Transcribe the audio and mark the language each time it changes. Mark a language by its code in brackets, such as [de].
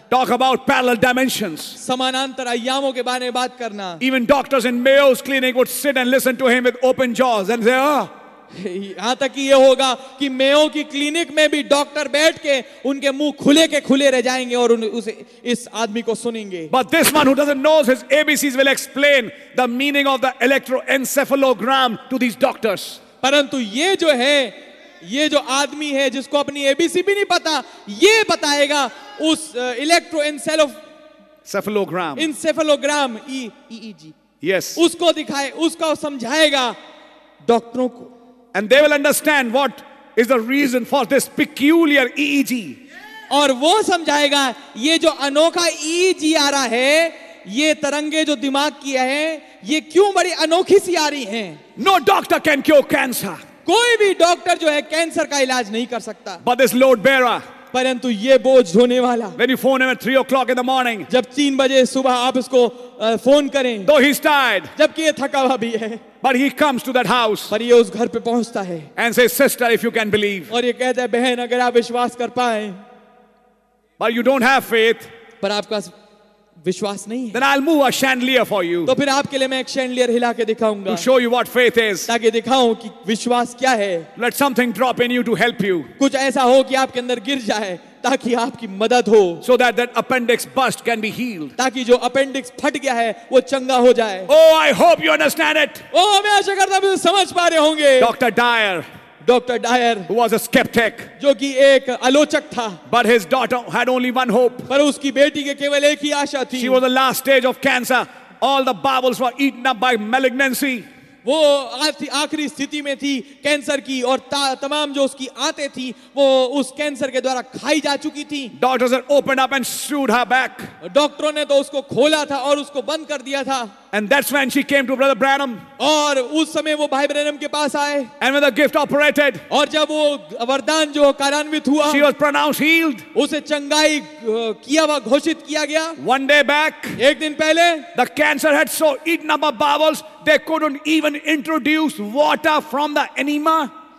[en] Talk about parallel dimensions. [hi] समानांतर आयामों के बारे में बात करना. [en] Even doctors in Mayo's clinic would sit and listen to him with open jaws and say ah. [hi] यहां तक कि ये होगा कि मेयो की क्लिनिक में भी डॉक्टर बैठ के उनके मुंह खुले के खुले रह जाएंगे और उसे इस आदमी को सुनेंगे. [en] But this man who doesn't know his ABCs will explain the meaning of the electroencephalogram to these doctors. [hi] परंतु ये जो है, ये जो आदमी है जिसको अपनी एबीसी भी नहीं पता, ये बताएगा उस इलेक्ट्रोएन्सेफलोग्राम. इन्सेफलोग्राम ईईजी. [en] Yes. [hi] उसको दिखाए, उसको समझाएगा डॉक्टरों को. [en] And they will understand what is the reason for this peculiar EEG. [hi] और वो समझाएगा ये जो अनोखा EEG आ रहा है, ये तरंगे जो दिमाग की है, ये क्यों बड़ी अनोखी सी आ रही है. [en] No doctor can cure cancer. [hi] कोई भी डॉक्टर जो है कैंसर का इलाज नहीं कर सकता. [en] But this load bearer. [hi] परंतु ये बोझ ढोने वाला. [en] When you phone him at 3 o'clock in the morning. [hi] जब 3 बजे सुबह आप इसको फोन करें. [en] Though he's tired. [hi] जबकि ये थका हुआ भी है. [en] But he comes to that house. [hi] पर ये उस घर पे पहुंचता है. [en] And says, sister, if you can believe. [hi] और ये कहता है बहन अगर आप विश्वास कर पाएं. [en] But you don't have faith. [hi] पर आपका विश्वास नहीं है. [en] Then I'll move a chandelier for you. [hi] तो फिर आपके लिए मैं एक chandelier हिला के दिखाऊंगा. [en] To show you what faith is. [hi] ताकि दिखाऊं कि विश्वास क्या है. [en] Let something drop in you to help you. [hi] कुछ ऐसा हो कि आपके अंदर गिर जाए ताकि आपकी मदद हो. [en] So that appendix burst can be healed. [hi] ताकि जो appendix फट गया है वो चंगा हो जाए. [en] Oh, I hope you understand it. [hi] Oh, मैं आशा करता हूँ समझ पा रहे होंगे. [en] Dr. Dyer. Dr. Dyer, who was a skeptic, [hi] जो कि एक आलोचक था, [en] but his daughter had only one hope. [hi] पर उसकी बेटी के केवल एक ही आशा थी. [en] She was the last stage of cancer. All the bubbles were eaten up by malignancy. [hi] वो आखिरी स्थिति में थी कैंसर की और तमाम जो उसकी आते थी वो उस कैंसर के द्वारा खाई जा चुकी थी. [en] Doctors had opened up and sewed her back. [hi] डॉक्टरों ने तो उसको खोला था और उसको बंद कर दिया था. [en] And that's when she came to Brother Branham. [hi] और उस समय वो भाई ब्रैनम के पास आए. [en] And when the gift operated. [hi] और जब वो वरदान जो कार्यान्वित हुआ. [en] She was pronounced healed. [hi] उसे चंगाई किया हुआ घोषित किया गया. [en] One day back. [hi] एक दिन पहले. [en] The cancer had so eaten up her bowels they couldn't even introduce water from the enema.